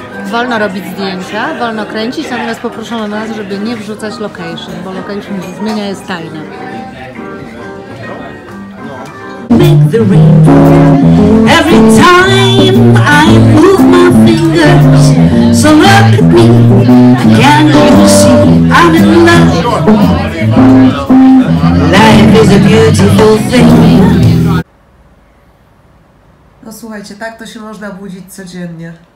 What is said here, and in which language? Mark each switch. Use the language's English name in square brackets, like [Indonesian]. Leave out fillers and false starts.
[Polish] Wolno robić zdjęcia, wolno kręcić, natomiast poproszono nas, żeby nie wrzucać location, bo location się zmienia, jest tajne. [English] Make the rain. Every time I move my fingers, so look at me, can you see I'm in love? Life is a beautiful thing. [Polish] No słuchajcie, tak to się można budzić codziennie.